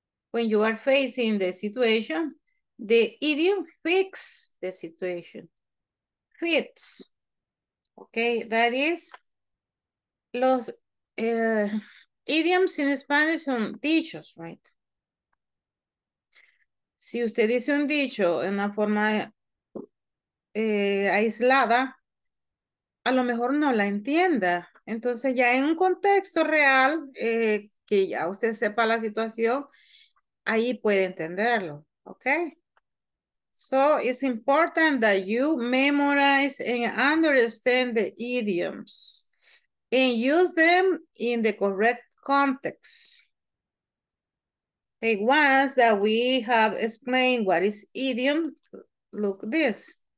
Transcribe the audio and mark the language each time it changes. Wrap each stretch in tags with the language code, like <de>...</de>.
<en>When you are facing the situation, the idiom fits the situation. Fits. Okay, that is los idioms in Spanish</en> <es>son dichos,</es> <en>right?</en> <es>Si usted dice un dicho en una forma aislada, a lo mejor no la entienda. Entonces ya en un contexto real, que ya usted sepa la situación, ahí puede entenderlo, okay?</es> <en>So it's important that you memorize and understand the idioms and use them in the correct context. Okay, once that we have explained what is idiom, look this.</en>